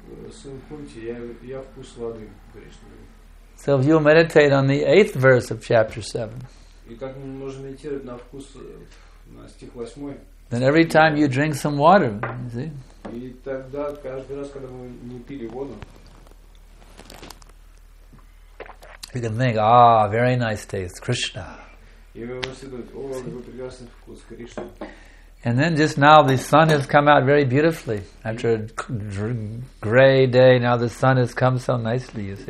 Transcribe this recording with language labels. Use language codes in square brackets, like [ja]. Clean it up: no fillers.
[ru] Сын Кунти, я вкус воды, Кришна. [en] So if you meditate on the 8th verse of chapter 7. [ru] И как мы можем медитировать на вкус на стих 8? [en] Then every time you drink some water, you see. [ru] И тогда каждый раз, когда мы не пили воду, [en] you can think, ah, very nice taste, Krishna. [ru] И вы можете думать, о, какой прекрасный вкус, Кришна. [en] And then just now the sun has come out very beautifully. After a gray day, now the sun has come so nicely, you see.